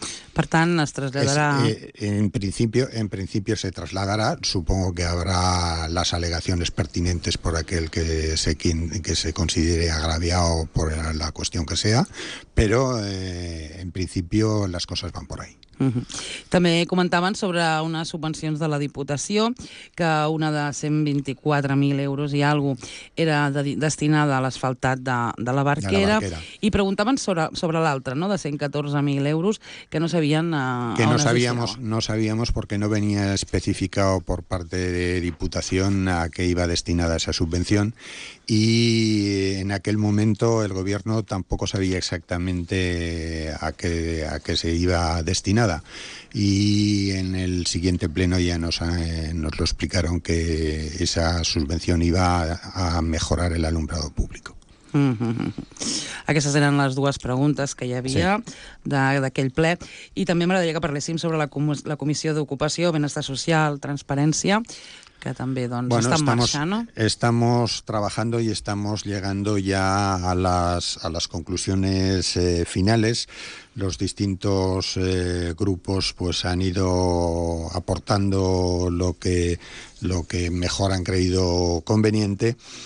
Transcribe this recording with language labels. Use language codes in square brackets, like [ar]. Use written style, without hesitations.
[ca] Per tant, es trasladarà... [es] En principio se trasladará, supongo que habrá las alegaciones pertinentes por aquel que se considere agraviado por la cuestión que sea, pero en principio las cosas van por ahí. [ca] També comentaven sobre unes subvencions de la Diputació, que una de 124.000 euros i alguna cosa era destinada a l'asfaltat de la Barquera. I preguntaven sobre l'altra, no? De 114.000 euros, que no sabien [es] que on no sabíamos porque no venía especificado por parte de Diputació a què iba destinada esa subvenció. Y en aquel momento el gobierno tampoco sabía exactamente a qué se iba destinada. Y en el siguiente pleno ya nos lo explicaron, que esa subvención iba a mejorar el alumbrado público. [ca] Aquestes eren les dues preguntes que hi havia d'aquell ple. I també m'agradaria que parléssim sobre la Comissió d'Ocupació, Benestar Social, Transparència, que també doncs, bueno, està en marxa, no? [es] Estamos trabajando y estamos llegando ya a las conclusiones finales. Los distintos grupos pues han ido aportando lo que mejor han creído conveniente.